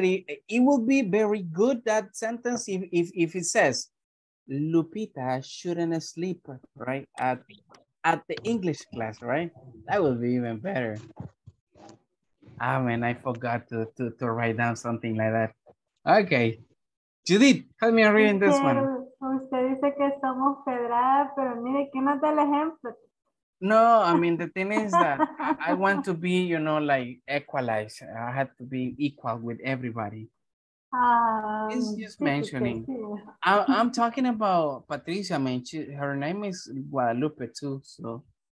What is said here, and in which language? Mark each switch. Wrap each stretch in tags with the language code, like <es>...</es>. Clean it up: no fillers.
<en>It would be very good, that sentence, if it says Lupita shouldn't sleep, right? At the English class, right? That would be even better. Ah, man, I forgot to write down something like that. Okay. Judith, help me read this one.</en> <es>Usted dice que somos pedradas, pero mire, ¿quién nos da el ejemplo?</es> <en>No, I mean, the thing is that I want to be, you know, like, equalized. I have to be equal with everybody. It's just mentioning. I'm talking about Patricia. I mean, her name is Guadalupe, too, so.</en>